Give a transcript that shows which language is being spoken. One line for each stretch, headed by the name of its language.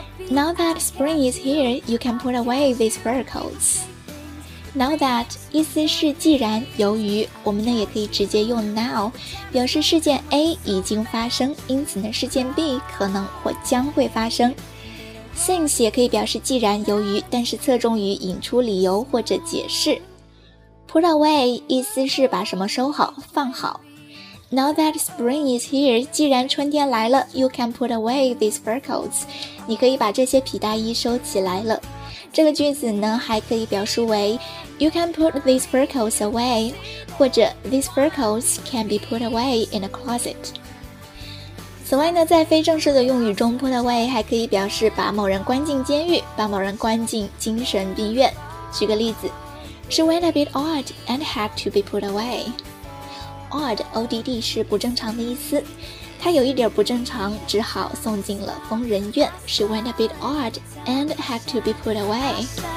English: Now that spring is here, you can put away these fur coats. Now that
Chinese: 意思是既然、由于，我们呢也可以直接用 now， 表示事件 A 已经发生，因此呢事件 B 可能或将会发生。 Since 也可以表示既然、由于，但是侧重于引出理由或者解释。
English: Put away
Chinese: 意思是把什么收好、放好。
English: Now that spring is here，
Chinese: 既然春天来了，
English: you can put away these fur coats，
Chinese: 你可以把这些皮大衣收起来了。这个句子呢还可以表述为
English: you can put these fur coats away，
Chinese: 或者
English: these fur coats can be put away in a closet。
Chinese: 此外呢，在非正式的用语中，
English: put away
Chinese: 还可以表示把某人关进监狱，把某人关进精神病院。举个例子，
English: She went a bit odd and had to be put away。
Chinese: Odd, O-D-D 是不正常的意思，她有一点不正常，只好送进了疯人院。
English: She went a bit odd and had to be put away。